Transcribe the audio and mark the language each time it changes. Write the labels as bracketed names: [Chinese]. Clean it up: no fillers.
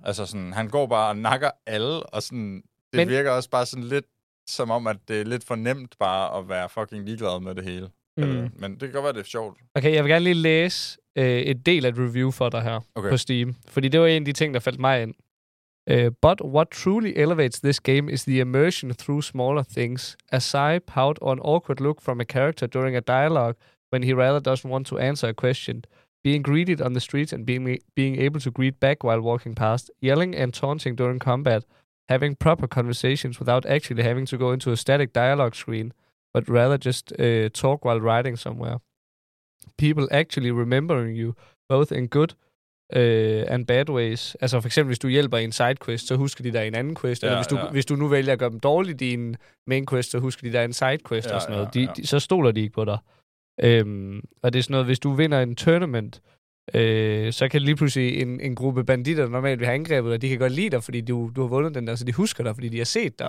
[Danish] Altså sådan, han går bare og nakker alle, og sådan, det virker også bare sådan lidt som om, at det er lidt for nemt bare at være fucking ligeglad med det hele. Men det kan godt være, det er sjovt. Okay, jeg vil gerne lige læse et del af et review for dig her på Steam. Fordi det var en af de ting, der faldt mig ind. [English] But what truly elevates this game is the immersion through smaller things. A sigh, pout, or an awkward look from a character during a dialogue when he rather doesn't want to answer a question. Being greeted on the streets and being able to greet back while walking past. Yelling and taunting during combat. Having proper conversations without actually having to go into a static dialogue screen. But rather just talk while riding somewhere. People actually remembering you, both in good and bad ways. [Danish] Altså for eksempel, hvis du hjælper i en sidequest, så husker de dig i en anden quest. Ja, eller hvis du nu vælger at gøre dem dårligt i en main quest, så husker de dig i en sidequest og sådan noget. Så stoler de ikke på dig. Og det er sådan noget, hvis du vinder en tournament, så kan lige pludselig en gruppe banditter, der normalt vil have angrebet dig, de kan godt lide dig, fordi du har vundet den der, så de husker dig, fordi de har set dig.